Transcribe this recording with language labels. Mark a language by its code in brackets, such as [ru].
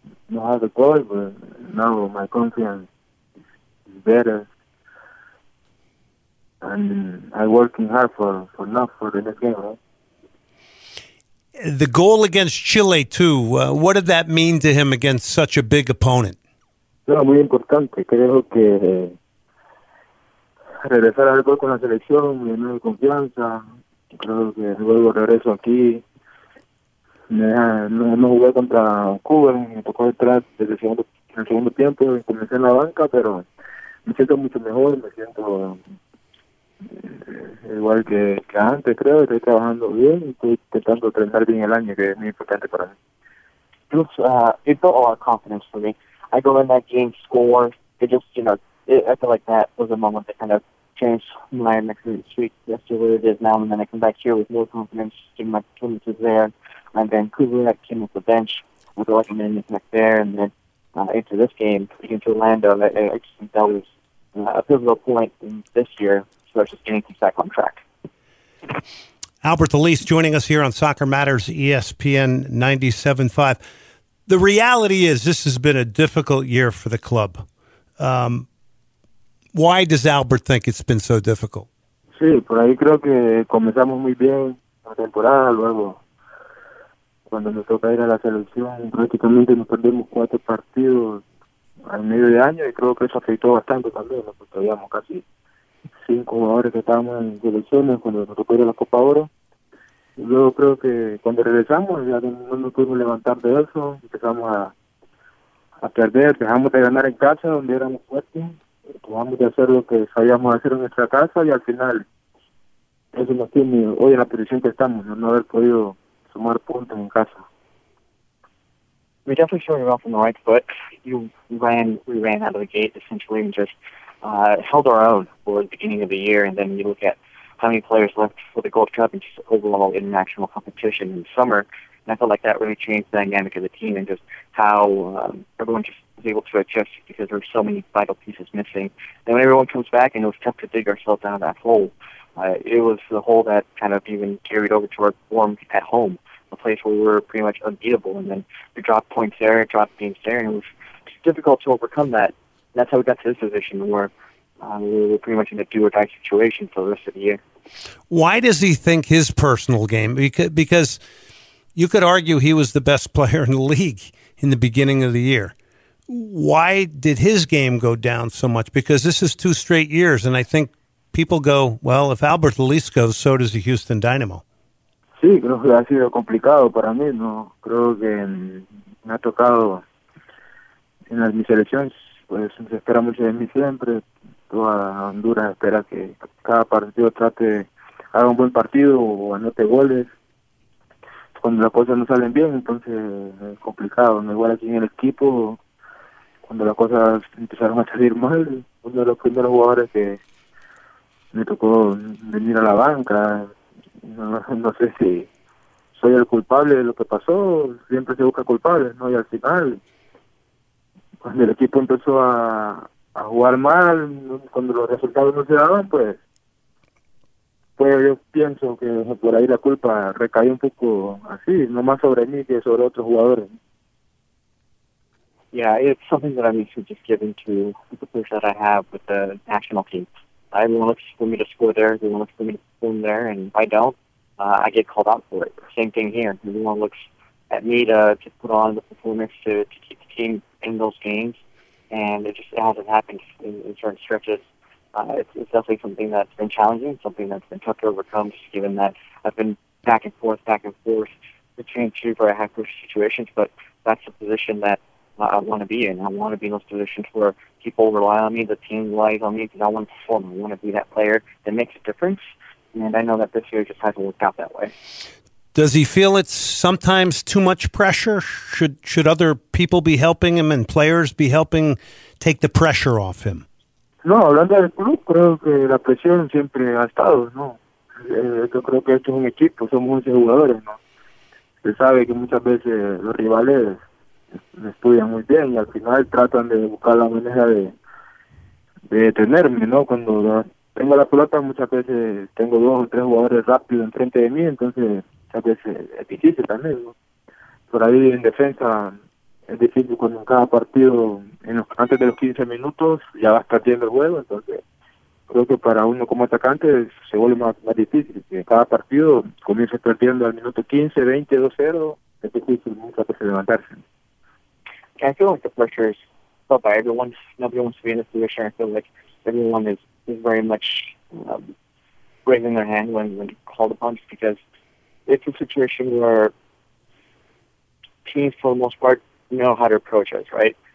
[en] I don't have the goal, but now my confidence is better. And I'm working hard for the next game, right? The goal against Chile, too, what did that mean to him against such a big opponent? [es] Era muy importante. Creo que regresar al gol con la selección, me dio confianza. Creo que luego regreso aquí. No jugué contra Cuba, me tocó entrar desde el segundo tiempo, comencé en la banca, pero me siento mucho mejor, me siento igual que antes. Creo que estoy trabajando bien, estoy intentando entrenar bien el año, que es muy importante para mí. [en] It built a lot of confidence for me. I go in that game, score. I feel like that was a moment that kind of changed my next week. That's just what it is now. And then I come back here with no confidence, given my performance is there. And then Vancouver, I came off the bench. I feel like I'm in the next there. And then into this game, against Orlando, I just think that was a pivotal point in this year. Getting back on track. Albert Elise joining us here on Soccer Matters ESPN 97.5. The reality is this has been a difficult year for the club. Why does Albert think it's been so difficult? [es] Sí, por ahí creo que comenzamos muy bien la temporada, luego cuando nos toca ir a la selección, prácticamente nos perdemos cuatro partidos al medio de año y creo que eso afectó bastante también, ¿no? Porque habíamos casi cinco jugadores que estábamos en selecciones cuando nos tocó ir a la Copa Oro. Luego creo que cuando regresamos ya no nos pudimos levantar de eso, empezamos a perder, dejamos de ganar en casa donde éramos fuertes, dejamos de hacer lo que sabíamos hacer en nuestra casa y al final eso nos tiene hoy en la posición que estamos, no haber podido sumar puntos en casa. [en] We definitely showed you off on the right foot. We ran out of the gate essentially and just held our own for the beginning of the year, and then you look at how many players left for the Gold Cup and just overall international competition in the summer, and I felt like that really changed the dynamic of the team and just how everyone just was able to adjust because there were so many vital pieces missing. And when everyone comes back, and it was tough to dig ourselves out of that hole, it was the hole that kind of even carried over to our form at home, a place where we were pretty much unbeatable, and then we dropped points there, dropped games there, and it was just difficult to overcome that. That's how we got to this position where we were pretty much in a do-or-die situation for the rest of the year. Why does he think his personal game? Because you could argue he was the best player in the league in the beginning of the year. Why did his game go down so much? Because this is two straight years, and I think people go, well, if Albert Elise goes, so does the Houston Dynamo. [es] Sí, creo que ha sido complicado para mí. No creo que me ha tocado en las mis elecciones. Pues se espera mucho de mí siempre, toda Honduras espera que cada partido trate, haga un buen partido o anote goles. Cuando las cosas no salen bien, entonces es complicado, no igual aquí en el equipo, cuando las cosas empezaron a salir mal, uno de los primeros jugadores que me tocó venir a la banca, no sé si soy el culpable de lo que pasó, siempre se busca culpables, ¿no? Y al final, cuando el equipo empezó a jugar mal, cuando los resultados no se daban, pues yo pienso que por ahí la culpa recae un poco así, no más sobre mí que sobre otros jugadores. [en] Yeah, it's something that I'm used to just giving to the players that I have with the national team. Everyone looks for me to score there, everyone looks for me to perform there, and if I don't, I get called out for it. Same thing here. Everyone looks at me to put on the performance to keep the team in those games, and it just hasn't happened in certain stretches. It's definitely something that's been challenging, something that's been tough to overcome, just given that I've been back and forth, between two very high-pressure situations, but that's the position that I want to be in. I want to be in those positions where people rely on me, the team relies on me, because I want to perform. I want to be that player that makes a difference, and I know that this year just hasn't worked out that way. Does he feel it's sometimes too much pressure? Should other people be helping him and players be helping take the pressure off him? [es] No, hablando del club, creo que la presión siempre ha estado, ¿no? Yo creo que esto es un equipo, somos 11 jugadores, ¿no? Se sabe que muchas veces los rivales estudian muy bien y al final tratan de buscar la manera de detenerme, ¿no? Cuando tengo la pelota, muchas veces tengo dos o tres jugadores rápidos enfrente de mí, entonces muchas veces es difícil también, ¿no? Por ahí en defensa es difícil cuando en cada partido, antes de los 15 minutos, ya vas perdiendo el juego, entonces creo que para uno como atacante se vuelve más difícil. Si en cada partido comienzas perdiendo al minuto 15, 20, 2-0, es difícil muchas veces levantarse. [en] Okay, I feel like the pressure is felt by everyone. Nobody wants to be in this position. I feel like everyone is very much raising their hand when called upon, just because it's a situation where teams, for the most part, know how to approach us, right?